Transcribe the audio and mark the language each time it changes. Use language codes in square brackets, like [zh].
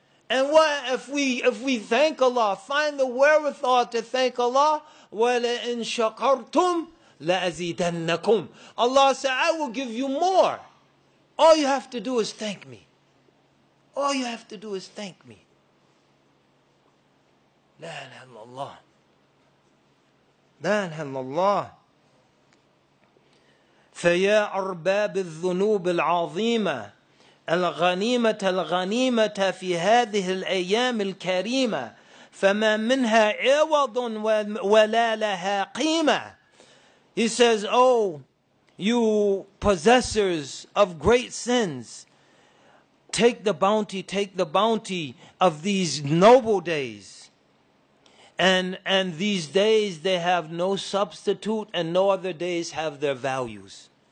[en] And what if we thank Allah, find the wherewithal to thank Allah, [ar] وَلَئِنْ شَكَرْتُمْ لَأَزِيدَنَّكُمْ. [en] Allah said, I will give you more. All you have to do is thank me. All you have to do is thank me. [ar] لا إله إلا الله لا إله إلا الله فيا أرباب الذنوب العظيمة الغنيمة الغنيمة في هذه الأيام الكريمة فما منها عوض ولا لها قيمة. [en] He says, oh, you possessors of great sins, take the bounty of these noble days. And these days, they have no substitute, and no other days have their values.